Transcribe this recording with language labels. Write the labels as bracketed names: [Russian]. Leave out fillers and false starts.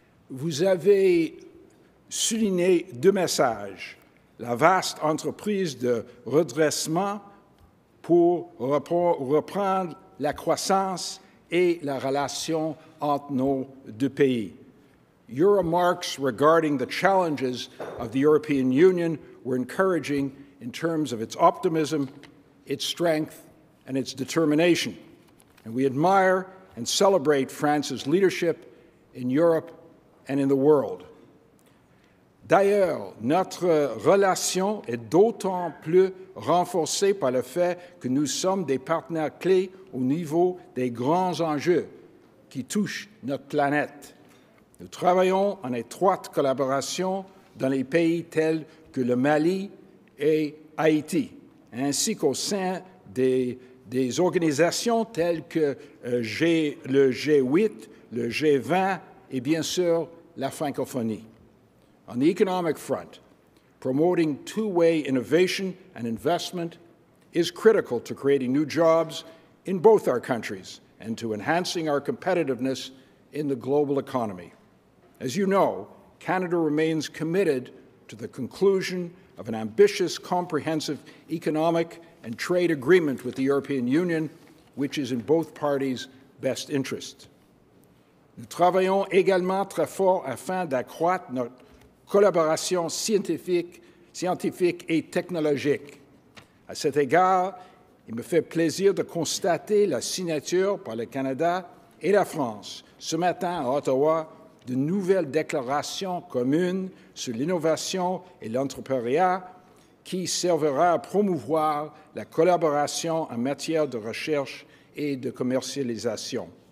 [French] Vous avez souligné deux messages, la vaste entreprise de redressement pour reprendre la croissance et la relation entre nos deux pays. [English] Your remarks regarding the challenges of the European Union were encouraging in terms of its optimism, its strength, and its determination. And we admire and celebrate France's leadership in Europe and in the world. [French] D'ailleurs, notre relation est d'autant plus renforcée par le fait que nous sommes des partenaires clés au niveau des grands enjeux qui touchent notre planète. Nous travaillons en étroite collaboration dans les pays tels que le Mali et Haïti, ainsi qu'au sein des organisations telles que le G8, le G20 et bien sûr la francophonie. [English] On the economic front, promoting two-way innovation and investment is critical to creating new jobs in both our countries and to enhancing our competitiveness in the global economy. As you know, Canada remains committed to the conclusion of an ambitious, comprehensive economic and trade agreement with the European Union, which is in both parties' best interest. [French] Nous travaillons également très fort afin d'accroître notre collaboration scientifique et technologique. À cet égard, il me fait plaisir de constater la signature par le Canada et la France ce matin à Ottawa de nouvelles déclarations communes sur l'innovation et l'entrepreneuriat qui servira à promouvoir la collaboration en matière de recherche et de commercialisation.